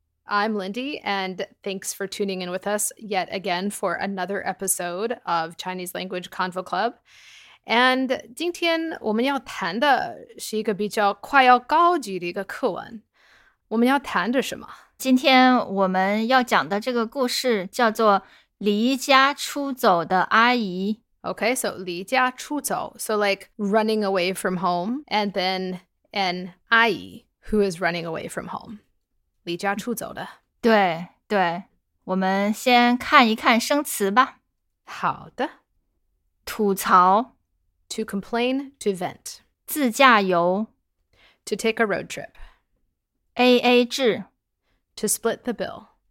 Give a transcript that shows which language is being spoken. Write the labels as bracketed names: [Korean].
[English] I'm Lindy, and thanks for tuning in with us yet again for another episode of Chinese Language Convo Club. [Chinese] And 今天我们要谈的是一个比较快要高级的一个课文。我们要谈的什么？今天我们要讲的这个故事叫做离家出走的阿姨。 [English] Okay, so 离家出走。 So like running away from home, and then an 阿姨 who is running away from home. [Chinese] 离家出走的，对对，我们先看一看生词吧。好的，吐槽 [English] ，to complain, to vent. [Chinese] 自驾游 [English] ，to take a road trip. [Chinese] AA 制 [English] ，to split the bill.